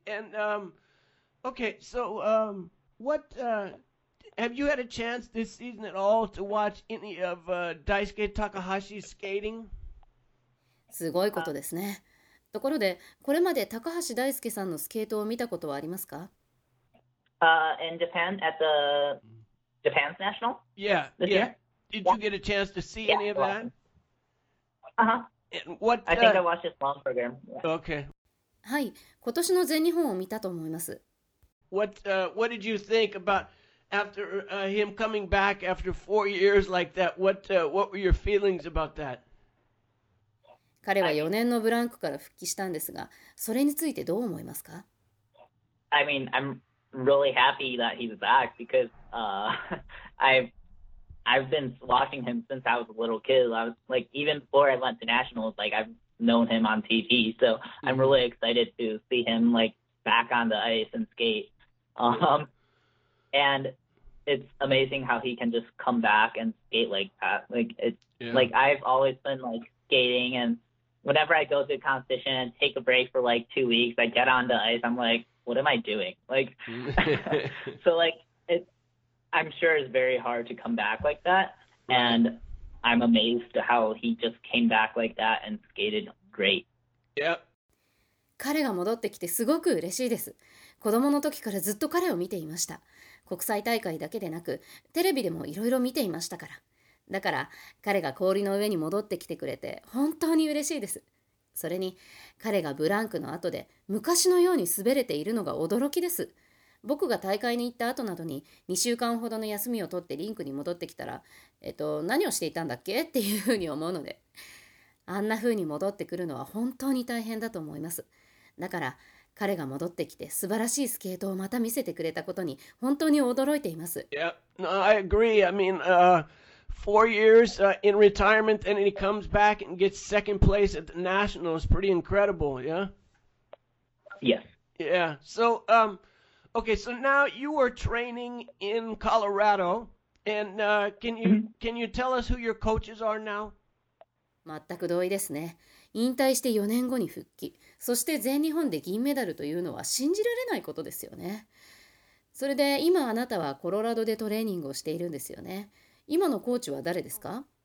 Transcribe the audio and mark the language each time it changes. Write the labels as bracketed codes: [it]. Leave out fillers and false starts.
[en] And okay, so what have you had a chance this season at all to watch any of Daisuke Takahashi's skating? [ja] すごいことですね。ところで、これまで高橋大輔さんのスケートを見たことはありますか？ [en] In Japan, at the Japan's National? Yeah. Did you get a chance to see any of that? I think I watched his long program. Yeah. Okay. [ja] はい、今年の全日本を見たと思います。 [en] What did you think about after him coming back after 4 years like that? What were your feelings about that? [ja] 彼は4年のブランクから復帰したんですが、それについてどう思いますか？ [en] I mean, I'm really happy that he's back because I've been watching him since I was a little kid. I was like, even before I went to nationals, like I've known him on TV. So I'm really excited to see him like back on the ice and skate. And it's amazing how he can just come back and skate like that. Like I've always been like skating andWhenever I go to a competition and take a break for like 2 weeks, I get on the ice. I'm like, what am I doing? Like, so like, I'm sure it's very hard to come back like that. And I'm amazed how he just came back like that and skated great. Yep. [ja] 彼が戻ってきてすごく嬉しいです。子供の時からずっと彼を見ていました。国際大会だけでなく、テレビでもいろいろ見ていましたから。だから彼が氷の上に戻ってきてくれて本当に嬉しいです。それに彼がブランクの後で昔のように滑れているのが驚きです。僕が大会に行った後などに2週間ほどの休みを取ってリンクに戻ってきたら、何をしていたんだっけっていうふうに思うので、あんなふうに戻ってくるのは本当に大変だと思います。だから彼が戻ってきて素晴らしいスケートをまた見せてくれたことに本当に驚いています。 [en] Yeah, no, I agree. I mean,4 years in retirement, and then he comes back and gets second place at the nationals. Pretty incredible, yeah? Yes. Yeah. So, okay, so now you are training in Colorado, and can you tell us who your coaches are now? [ja] 全く同意ですね。引退して4年後に復帰、そして全日本で銀メダルというのは信じられないことですよね。それで今あなたはコロラドでトレーニングをしているんですよね。今のコーチは誰ですか？